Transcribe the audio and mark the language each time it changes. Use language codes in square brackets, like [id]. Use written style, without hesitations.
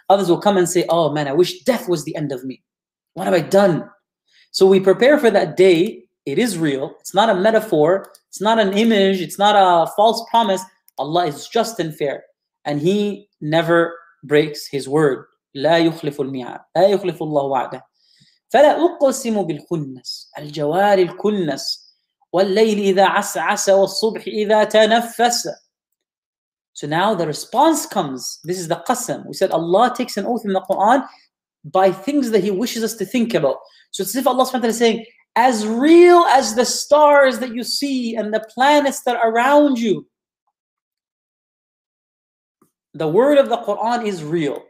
[en] Others will come and say, oh man, I wish death was the end of me. What have I done? So we prepare for that day. It is real. It's not a metaphor. It's not an image. It's not a false promise. Allah is just and fair, and He never breaks His word. [ar] لا يخلف الميعاد. لا يخلف الله وعده. فلا أقسم بالخنس الجوار الكنس والليل إذا عسعس والصبح إذا تنفس. [en] So now the response comes. This is the qasam. We said Allah takes an oath in the Quran by things that He wishes us to think about. So it's as if Allah subhanahu wa ta'ala is saying, as real as the stars that you see and the planets that are around you, the word of the Quran is real.